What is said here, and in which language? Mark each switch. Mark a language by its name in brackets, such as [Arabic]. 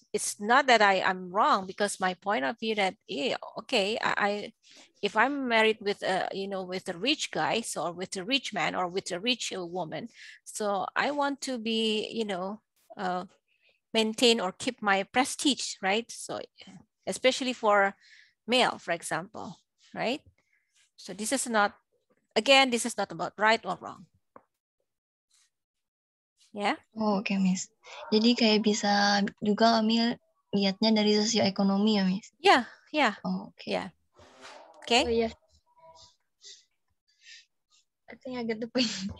[English] It's not that I'm wrong because my point of view that, yeah, okay, if I'm married with with a rich guy, so or with a rich man or with a rich woman, so I want to be, maintain or keep my prestige, right? So especially for male, for example, right? So this is not, again, this is not about right or wrong. Yeah. Oh, okay, Miss. [Indonesian] Jadi kayak bisa juga kami lihatnya dari sosioekonomi ya, Miss. [English] Yeah. Oh, okay. Yeah. Okay. Oh, yeah. I think I get the point.